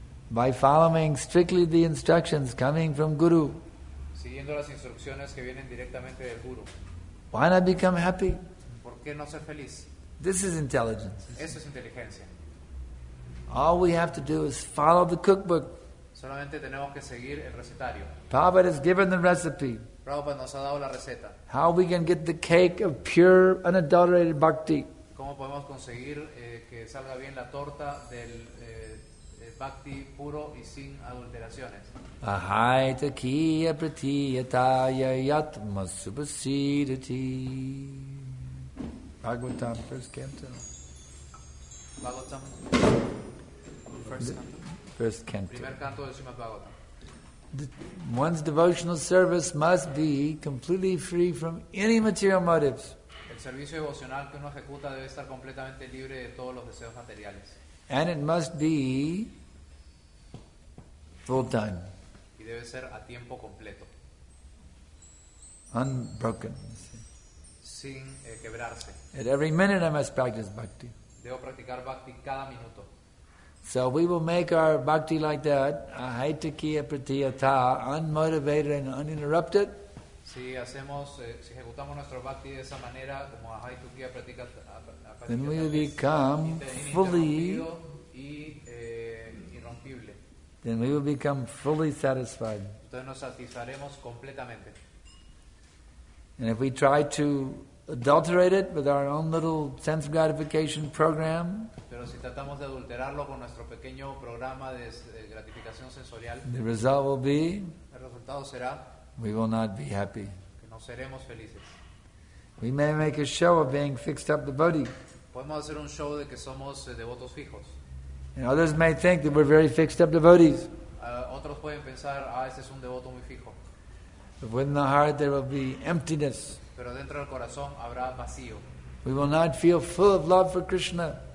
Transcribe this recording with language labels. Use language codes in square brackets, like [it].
[en] By following strictly the instructions coming from Guru. [es] Siguiendo las instrucciones que vienen directamente del Guru. [en] Why not become happy? [es] ¿Por qué no ser feliz? [en] This is intelligence. [es] Eso es inteligencia. [en] All we have to do is follow the cookbook. [es] Solamente tenemos que seguir el recetario. [en] Prabhupada has given the recipe. [es] Prabhupada nos ha dado la receta. [en] How we can get the cake of pure, unadulterated bhakti? [es] ¿Cómo podemos conseguir que salga bien la torta del bhakti puro y sin adulteraciones? [sa] Ahai takiya pratiyataya yatma supasidati. [en] Bhagavatam, first canto. Bhagavatam, first canto. First canto. [es] Primer canto de Srimad Bhagavatam. [en] One's devotional service must be completely free from any material motives. [es] El servicio devocional que uno ejecuta debe estar completamente libre de todos los deseos materiales. [en] And it must be full time. [es] Y debe ser a tiempo completo. [en] Unbroken. [es] Sin quebrarse. [en] At every minute I must practice bhakti. [es] Debo practicar bhakti cada minuto. [en] So we will make our bhakti like that, ahaitakiya pratiyata, unmotivated and uninterrupted. [es] Si hacemos, si ejecutamos nuestro bhakti de esa manera, como ahaitakiya pratiyata, [en] then we will become fully, [es] irrompible. [en] Then we will become fully satisfied. [es] Entonces nos satisfaremos completamente. [en] And if we try to adulterate it with our own little sense gratification program, [es] pero si tratamos de adulterarlo con nuestro pequeño programa de gratificación sensorial, [en] the result will be, [es] el resultado será, [en] we will not be happy. [es] Que no seremos felices. [en] We may make a show of being fixed up devotee. [es] Podemos hacer un show de que somos devotos fijos. [en] And others may think that we're very fixed up devotees. [es] Otros pueden pensar, ah, este es un devoto muy fijo. [en] But within the heart there will be emptiness. [es] Pero dentro del corazón habrá vacío. [en] We will not feel full of love for Krishna.